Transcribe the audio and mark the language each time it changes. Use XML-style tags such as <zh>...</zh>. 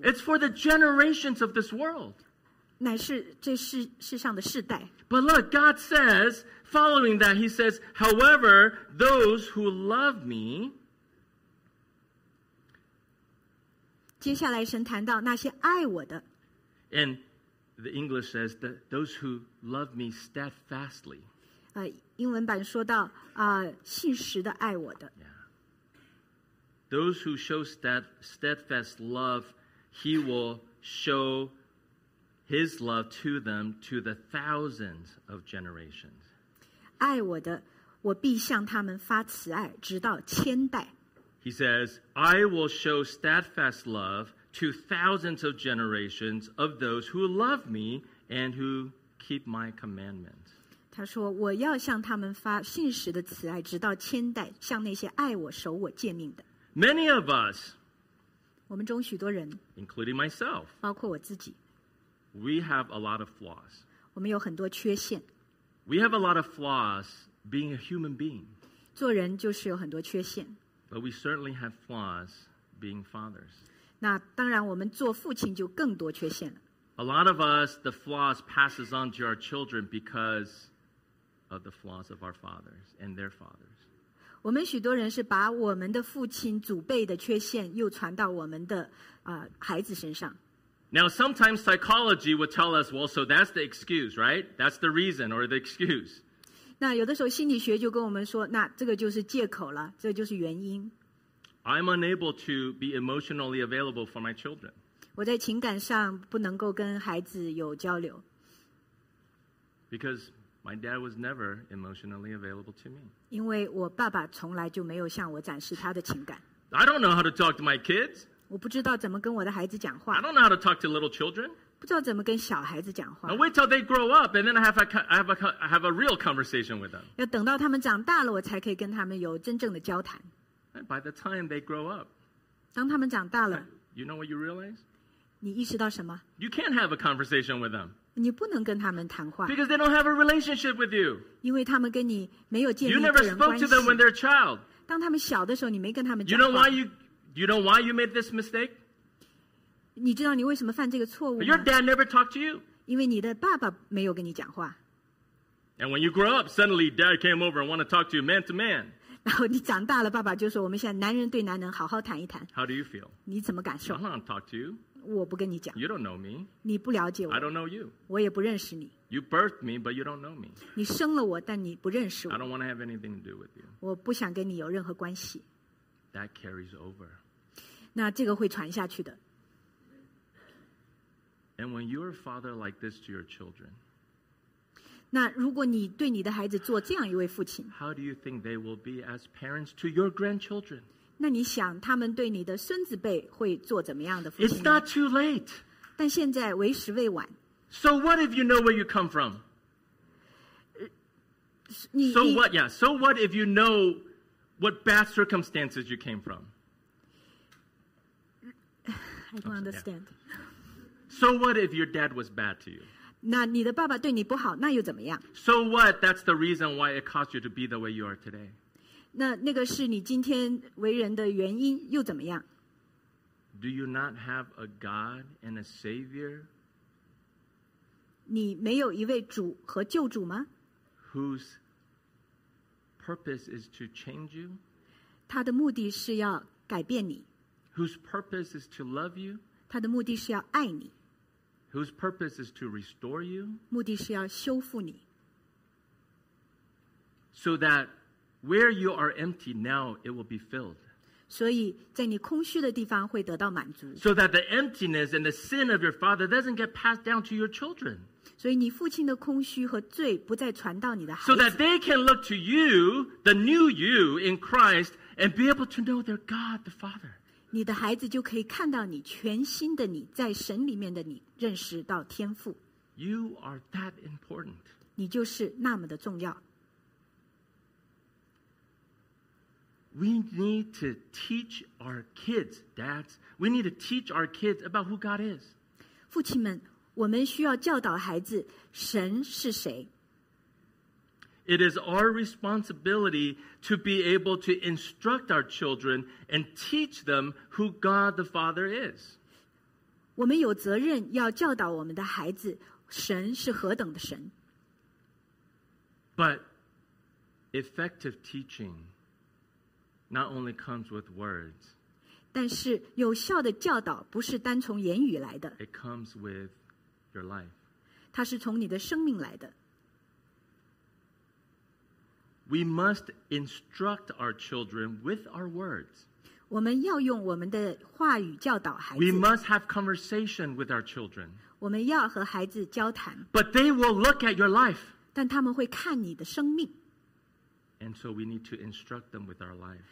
<en>it's for the generations of this world,</en> <zh>乃是这世, 世上的世代,</zh> <en>but look, God says, following that, he says, however, those who love me,</en> <zh>接下来神谈到那些爱我的。</zh> <en>And the English says that those who love me steadfastly.</en> <zh>英文版说到信实的爱我的。</zh> <en>Those who show steadfast love, he will show his love to them to the thousands of generations.</en> <zh>爱我的，我必向他们发慈爱，直到千代。</zh> <en>He says, I will show steadfast love to thousands of generations of those who love me and who keep my commandments.</en> <zh>他说我要向他们发信实的慈爱直到千代向那些爱我守我诫命的。</zh> <en>Many of us,</en> <zh>我们中许多人,</zh> <en>including myself,</en> <zh>包括我自己,</zh> <en>we have a lot of flaws.</en> <zh>我们有很多缺陷。</zh> <en>We have a lot of flaws being a human being.</en> <zh>做人就是有很多缺陷。</zh> <en>But we certainly have flaws being fathers.</en> <zh>那当然我们做父亲就更多缺陷了。</zh> <en>A lot of us, the flaws passes on to our children because of the flaws of our fathers and their fathers.</en> <zh>我们许多人是把我们的父亲祖辈的缺陷又传到我们的孩子身上。</zh> <en>Now sometimes psychology would tell us, well, so that's the excuse, right? That's the reason or the excuse.</en> <zh>那有的时候心理学就跟我们说，那这个就是借口了，这个、就是原因。</zh> <en>I'm unable to be emotionally available for my children.</en> <zh>我在情感上不能够跟孩子有交流。</zh> <en>Because my dad was never emotionally available to me.</en> <zh>因为我爸爸从来就没有向我展示他的情感。</zh> <en>I don't know how to talk to my kids.</en> <zh>我不知道怎么跟我的孩子讲话。</zh> <en>I don't know how to talk to little children.</en> <zh>不知道怎么跟小孩子讲话。</zh> <en>I wait till they grow up, and then I have a real conversation with them.</en> <zh>要等到他们长大了，我才可以跟他们有真正的交谈。</zh> <en>And by the time they grow up,</en> <zh>当他们长大了</zh> <en>，You know what you realize?</en> <zh>你意识到什么</zh> <en>？You can't have a conversation with them.</en> <zh>你不能跟他们谈话</zh> <en>，Because they don't have a relationship with you.</en> <zh>因为他们跟你没有建立个人关系。</zh> <en>You never spoke to them when they're a child.</en> <zh>当他们小的时候，你没跟他们讲话。</zh> <en>You know why you made this mistake?</en> <zh>你知道你为什么犯这个错误吗</zh> <en>？Your dad never talked to you.</en> <zh>因为你的爸爸没有跟你讲话。</zh> <en>And when you grow up, suddenly dad came over and want to talk to you man to man.</en> <zh>然后你长大了，爸爸就说我们现在男人对男人好好谈一谈。</zh> <en>How do you feel?</en> <zh>你怎么感受</zh> <en>？I don't talk to you.</en> <zh>我不跟你讲。</zh> <en>You don't know me.</en> <zh>你不了解我。</zh> <en>I don't know you.</en> <zh>我也不认识你。</zh> <en>You birthed me, but you don't know me.</en> <zh>你生了我，但你不认识我。</zh> <en>I don't want to have anything to do with you.</en> <zh>我不想跟你有任何关系。</zh> <en>That carries over.</en> <zh>那这个会传下去的。</zh> <en>And when you're a father like this to your children,</en> <zh>那如果你对你的孩子做这样一位父亲，</zh> <en>how do you think they will be as parents to your grandchildren?</en> <zh>那你想他们对你的孙子辈会做怎么样的父亲？</zh> <en>It's not too late.</en> <zh>但现在为时未晚。</zh> <en>So what if you know where you come from? So what, yeah. So what if you know what bad circumstances you came from? I don't understand. So what if your dad was bad to you?</en> <zh>那你的爸爸对你不好，那又怎么样？</zh> <en>So what? That's the reason why it caused you to be the way you are today.</en> <zh>那个是你今天为人的原因，又怎么样？</zh> <en>Do you not have a God and a Savior?</en> <zh>你没有一位主和救主吗？</zh> <en>Whose purpose is to change you?</en> <zh>他的目的是要改变你。</zh> <en>Whose purpose is to love you?</en> <zh>他的目的是要爱你。</zh> <en>Whose purpose is to restore you?</en> <zh>目的是要修复你。</zh> <en>So that where you are empty now, it will be filled.</en> <zh>所以在你空虚的地方会得到满足。</zh> <en>So that the emptiness and the sin of your father doesn't get passed down to your children.</en> <zh>所以你父亲的空虚和罪不再传到你的孩子。</zh> <en>So that they can look to you, the new you in Christ, and be able to know their God, the Father.</en> <zh>你的孩子就可以看到你全新的你，在神里面的你。认识到天父，</zh> <en>you are that important.</en> <zh>你就是那么的重要。</zh> <en>We need to teach our kids, dads. We need to teach our kids about who God is.</en> <zh>父亲们，我们需要教导孩子神是谁。</zh> <en>It is our responsibility to be able to instruct our children and teach them who God the Father is.</en> <zh>我们有责任要教导我们的孩子神是何等的神。</zh> <en>But effective teaching not only comes with words.</en> <zh>但是有效的教导不是单从言语来的。</zh> <en>It comes with your life.</en> <zh>它是从你的生命来的。</zh> <en>We must instruct our children with our words.</en> <zh>我们要用我们的话语教导孩子。</zh> <en>We must have conversation with our children.</en> <zh>我们要和孩子交谈。</zh> <en>But they will look at your life.</en> <zh>但他们会看你的生命。</zh> <en>And so we need to instruct them with our life.</en>